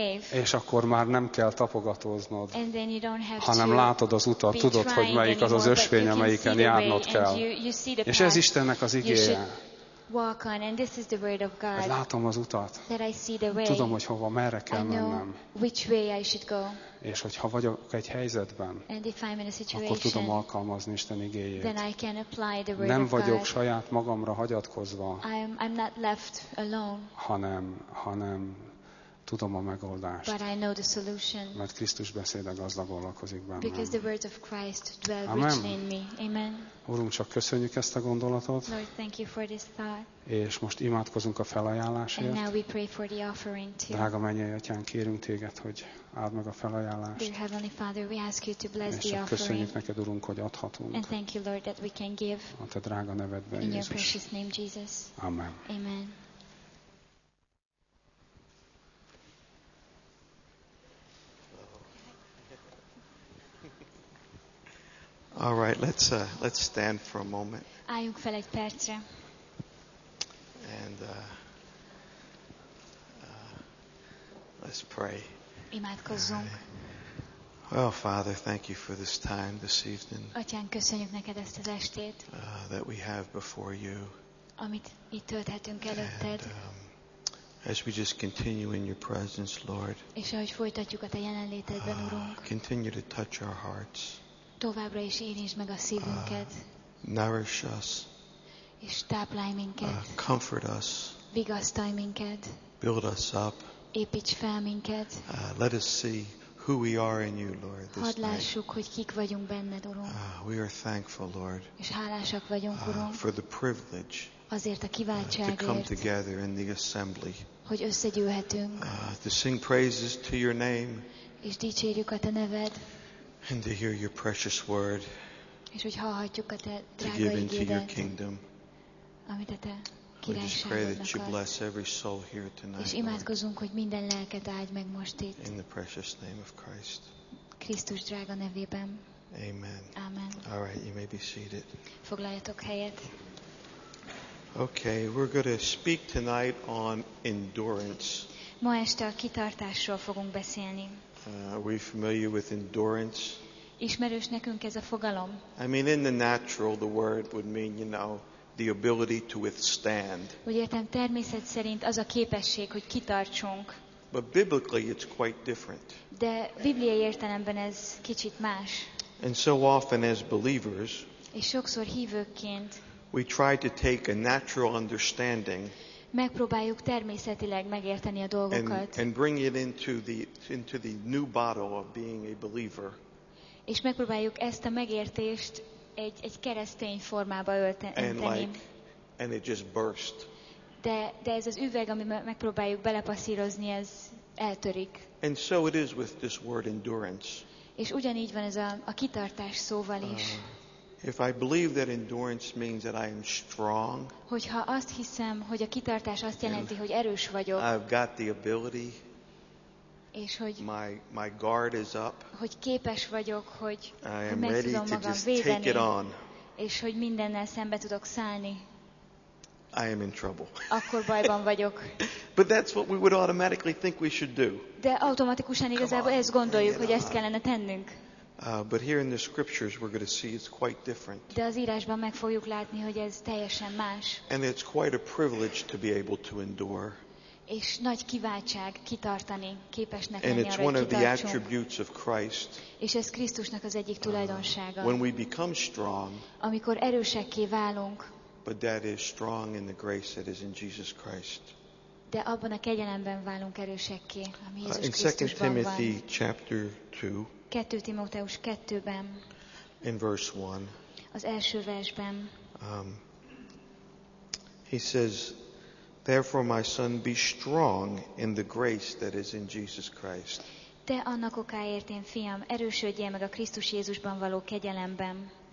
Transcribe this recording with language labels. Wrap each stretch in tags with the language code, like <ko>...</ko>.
<hu>És akkor már nem kell tapogatóznod, hanem látod az utat, tudod, hogy melyik az az ösvény, amelyiken járnod kell. És ez Istennek az igéje.</hu> <en>Walk on, and this is the word of God.</en> <hu>Látom az utat.</hu> <en>That I see the way.</en> <hu>Tudom, hogy hova, merre kell mennem.</hu> <en>Which way I should go.</en> <hu>És hogyha vagyok egy helyzetben,</hu> <en>and if I'm in a situation,</en> <hu>akkor tudom alkalmazni Isten igéjét.</hu> <en>Then I can apply the word</en> <hu>nem</hu> <en>of</en> <hu>vagyok</hu> <en>God,</en> <hu>saját magamra hagyatkozva,</hu> <en>I'm not left alone,</en> <hu>hanem tudom a megoldást.</hu> <en>But I know the solution.</en> <hu>Mert Krisztus beszéde gazdagon lakozik bennem.</hu> <en>Because the words of Christ dwell Amen. Richly in me. Amen.</en> <hu>Urunk, csak köszönjük ezt a gondolatot.</hu> <en>Lord, thank you for this thought.</en> <hu>És most imádkozunk a felajánlásért.</hu> <en>And now we pray for the offering too.</en> <hu>Drága mennyei atyán, kérünk téged, hogy áld meg a felajánlást.</hu> <en>Dear Heavenly Father, we ask you to bless the offering.</en> <hu>És köszönjük neked, Urunk, hogy adhatunk.</hu> <en>And thank you, Lord, that we can give.</en> <hu>A te drága nevedben, Jézus.</hu> <en>In your precious name, Jesus. Amen.</en> <hu>Amen.</hu> <en>All right, let's stand for a moment.</en> <hu>Álljunk fel egy percre.</hu> <en>And let's pray.</en> <hu>Imádkozzunk.</hu> <en>Well, Father, thank you for this time this evening.</en> <hu>Atyán, köszönjük neked ezt az estét.</hu> <en>That we have before you.</en> <hu>Amit itt tölthetünk előtted.</hu> <en>As we just continue in your presence, Lord.</en> <hu>És ahogy folytatjuk a te jelenlétedben, Urunk.</hu> <en>Continue to touch our hearts.</en> <hu>Továbbra is érintsd meg a szívünket.</hu> <en>Nourish us.</en> <hu>És táplálj minket.</hu> <en>Comfort us.</en> <hu>Vigasztalj minket.</hu> <en>Build us up.</en> <hu>Építs fel minket.</hu> <en>Let us see who we are in you, Lord.</en> <hu>Hadd lássuk, hogy kik vagyunk benned, Urunk.</hu> <en>We are thankful, Lord.</en> <hu>És hálásak vagyunk, Urunk.</hu> <en>For the privilege.</en> <hu>Azért a kiváltságért.</hu> <en>To come together in the assembly.</en> <hu>Hogy összegyűlhetünk.</hu> <en>To sing praises to your name.</en> <hu>És dicsérjük a te neved.</hu> <en>And to hear your precious word.</en> <hu>És hogy hallhatjuk a te drága igédet.</hu> <en>To give into your kingdom.</en> <hu>Amit a te királyságodnak.</hu> <en>We just pray that you bless every soul here tonight.</en> <hu>És imádkozunk, hogy minden lelket áld meg most itt.</hu> <en>In the precious name of Christ.</en> <hu>Krisztus drága nevében.</hu> <en>Amen.</en> <hu>Amen.</hu> <en>All right, you may be seated.</en> <hu>Foglaljatok helyet.</hu> <en>Okay, we're going to speak tonight on endurance.</en> <hu>Ma este a kitartásról fogunk beszélni.</hu> <en>Are we familiar with endurance?</en> <hu>Ismerős nekünk ez a fogalom.</hu> <en>I mean, in the natural, the word would mean, you know, the ability to withstand.</en> <hu>Úgy értem, természet szerint az a képesség, hogy kitartsunk.</hu> <en>But biblically, it's quite different.</en> <hu>De bibliai értelemben ez kicsit más.</hu> <en>And so often as believers,</en> <hu>és sokszor hívőként,</hu> <en>we try to take a natural understanding.</en> <hu>Megpróbáljuk természetileg megérteni a dolgokat.</hu> <en>And bring it into the new bottle of being a believer.</en> <hu>És megpróbáljuk ezt a megértést egy keresztény formába ölteni.</hu> <en>And it just burst.</en> <hu>De ez az üveg, ami megpróbáljuk belepasszírozni, ez eltörik.</hu> <en>And so it is with this word endurance.</en> <hu>És ugyanígy van ez a kitartás szóval is.</hu> <en>If I believe that endurance means that I am strong,</en> <hu>hogyha azt hiszem, hogy a kitartás azt jelenti, hogy erős vagyok,</hu> <en>I've got the ability,</en> <hu>és hogy</hu> <en>my guard is up,</en> <hu>hogy képes vagyok, hogy</hu> <en>I am ready to</en> <hu>magam</hu> <en>just</en> <hu>védeni,</hu> <en>take it on,</en> <hu>és hogy mindennel szembe tudok szállni,</hu> <en>I am in trouble.</en> <hu>Akkor bajban vagyok.</hu> <en>But that's what we would automatically think we should do.</en> <hu>De automatikusan igazából ezt gondoljuk, hogy ezt kellene tennünk.</hu> <en>But here in the scriptures we're going to see it's quite different.</en> <hu>De az írásban meg fogjuk látni, hogy ez teljesen más.</hu> <en>And it's quite a privilege to be able to endure.</en> <hu>És nagy kiváltság kitartani, képesnek lenni arra, hogy kitartsunk.</hu> <en>it's one of the attributes of Christ.</en> <hu>És ez Krisztusnak az egyik tulajdonsága.</hu> <en>When we become strong.</en> <hu>Amikor erősekké válunk.</hu> <en>But that is strong in the grace that is in Jesus Christ.</en> <hu>De abban a kegyelemben válunk erősekké, ami Jézus Krisztusban van.</hu> <en>In 2 Timothy chapter 2.</en> <hu>2 Timóteus 2-ben.</hu> <en>In verse 1.</en> <hu>Az első versben.</hu> <en>He says, therefore my son be strong in the grace that is in Jesus Christ.</en> <hu>Te annak okáért én fiam, erősödjél meg a Krisztus Jézusban való kegyelemben.</hu>